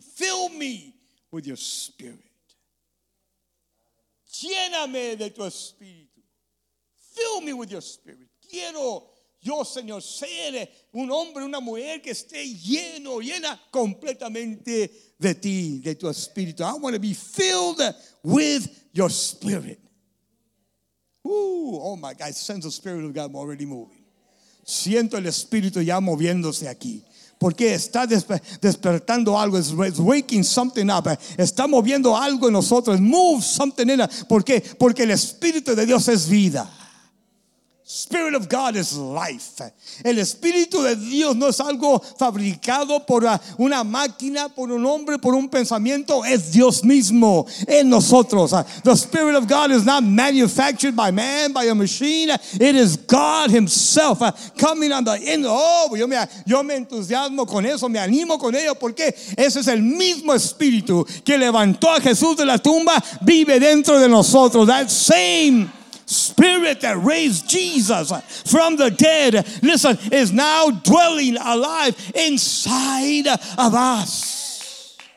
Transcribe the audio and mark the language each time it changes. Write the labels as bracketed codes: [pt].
[en] Fill me with your Spirit. [es] Lléname de tu Espíritu. [en] Fill me with your Spirit. [es] Quiero yo, Señor, ser un hombre, una mujer que esté lleno, llena completamente de ti, de tu Espíritu. [en] I want to be filled with your Spirit. Oh my God, I sense the Spirit of God already moving. [es] Siento el Espíritu ya moviéndose aquí. Porque está despertando algo. [en] It's waking something up. [es] Está moviendo algo en nosotros. [en] Move something in us. [es] ¿Por qué? Porque el Espíritu de Dios es vida. [en] Spirit of God is life. [es] El Espíritu de Dios no es algo fabricado por una máquina, por un hombre, por un pensamiento. Es Dios mismo en nosotros. [en] The Spirit of God is not manufactured by man, by a machine. It is God himself coming on the end. [es] Oh, yo me entusiasmo con eso, me animo con ello, porque ese es el mismo Espíritu que levantó a Jesús de la tumba, vive dentro de nosotros. [en] That same Spirit that raised Jesus from the dead, listen, is now dwelling alive inside of us.